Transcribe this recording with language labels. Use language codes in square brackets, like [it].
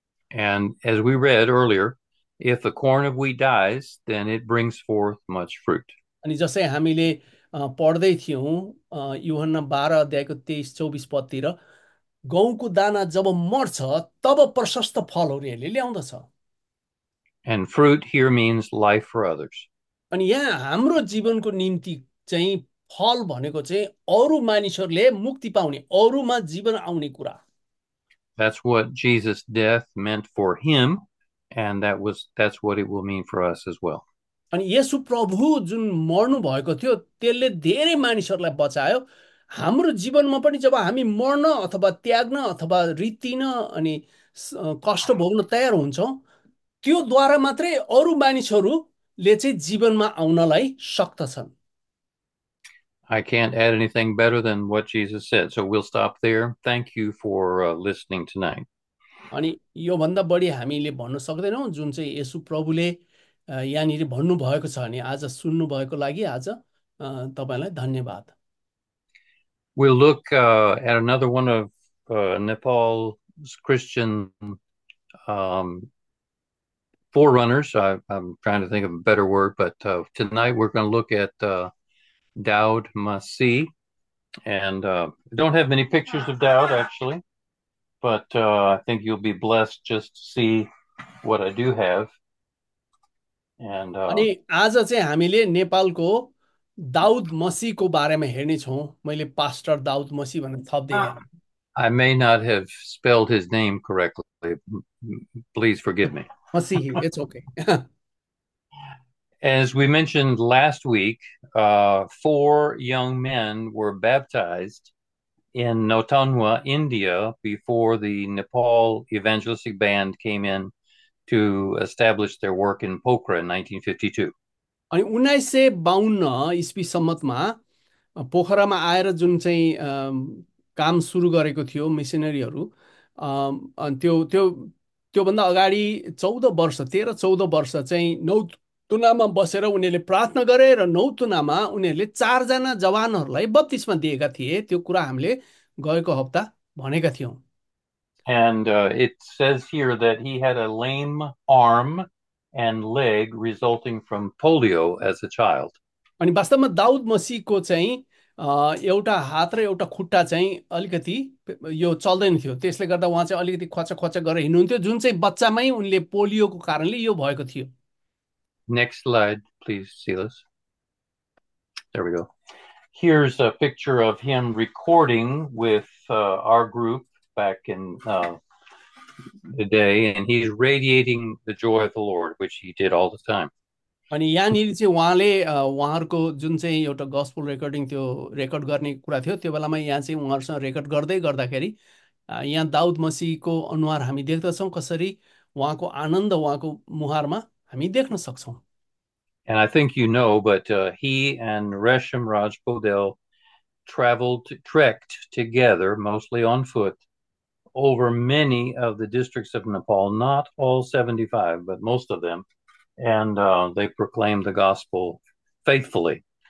[en] And as we read earlier, if a corn of wheat dies, then it brings forth much fruit. [ne] अनि जसै हामीले पढ्दै थियौँ युहन्ना 12:23-24 पदतिर, गहुँको दाना जब मर्छ तब प्रशस्त फलहरू यसले ल्याउँदछ। [en] And fruit here means life for others. [ne] अनि यहाँ हाम्रो जीवनको निम्ति चाहिँ फल भनेको चाहिँ अरू मानिसहरूले मुक्ति पाउने अरूमा जीवन आउने कुरा। [en] That's what Jesus' death meant for him. And that's what it will mean for us as well. [ne] अनि येशु प्रभु जुन मर्नु भएको थियो त्यसले धेरै मानिसहरूलाई बचायो। हाम्रो जीवनमा पनि जब हामी मर्न अथवा त्याग्न अथवा रित्तिन अनि कष्ट भोग्न तयार हुन्छौँ त्योद्वारा मात्रै अरू मानिसहरूले चाहिँ जीवनमा आउनलाई सक्दछन्। [en] I can't add anything better than what Jesus said, so we'll stop there. Thank you for listening tonight. [ne] अनि योभन्दा बढी हामीले भन्न सक्दैनौँ जुन चाहिँ येशु प्रभुले यहाँनिर भन्नुभएको छ। अनि आज सुन्नुभएको लागि आज तपाईँलाई धन्यवाद। [en] We'll look at another one of Nepal's Christian forerunners. I'm trying to think of a better word, but tonight we're going to look at Daud Masih, and don't have many pictures of Daud actually, but I think you'll be blessed just to see what I do have. And [ne] अनि आज चाहिँ हामीले नेपालको दाउद मसीको बारेमा हेर्नेछौँ। मैले pastor Daud मसी भनेर थप्दिनँ। [en] I may not have spelled his name correctly. Please forgive me. Masih, it's okay. As we mentioned last week, four young men were baptized in Nautanwa, India, before the Nepal Evangelistic Band came in to establish their work in Pokhara in 1952. [ne] अनि 1952 इस्वी सम्मतमा पोखरामा आएर जुन चाहिँ काम सुरु गरेको थियो मिसनरीहरू, त्यो त्यो त्योभन्दा अगाडि 14 वर्ष, 13-14 वर्ष चाहिँ नौ तुनामा बसेर उनीहरूले प्रार्थना गरे, र नौ तुनामा उनीहरूले 4 जना जवानहरूलाई बत्तिस्मा दिएका थिए। त्यो कुरा हामीले गएको हप्ता भनेका थियौँ। [en] And it says here that he had a lame arm and leg resulting from polio as a child. [ne] अनि वास्तवमा दाउद मसीको चाहिँ एउटा हात र एउटा खुट्टा चाहिँ अलिकति यो चल्दैन थियो, त्यसले गर्दा उहाँ चाहिँ अलिकति खच्चा खच्चा गरेर हिँड्नुहुन्थ्यो, जुन चाहिँ बच्चामै उनले पोलियोको कारणले यो भएको थियो। [en] Next slide, please, Silas. There we go. Here's a picture of him recording with our group. Back in the day, and he's radiating the joy of the Lord, which he did all the [ne] अनि यहाँनिर चाहिँ उहाँले उहाँहरूको जुन चाहिँ एउटा gospel recording, त्यो record गर्ने कुरा थियो त्यो बेलामा। यहाँ चाहिँ उहाँहरूसँग रेकर्ड गर्दै गर्दाखेरि यहाँ दाउद मसीहको अनुहार हामी देख्दछौँ, कसरी उहाँको आनन्द उहाँको मुहारमा हामी देख्न सक्छौँ। [en] And I think you know, but he and Resham Raj Podel traveled, trekked together, mostly on foot, over many of the districts of Nepal, not all 75, but most of them, and they proclaimed the gospel faithfully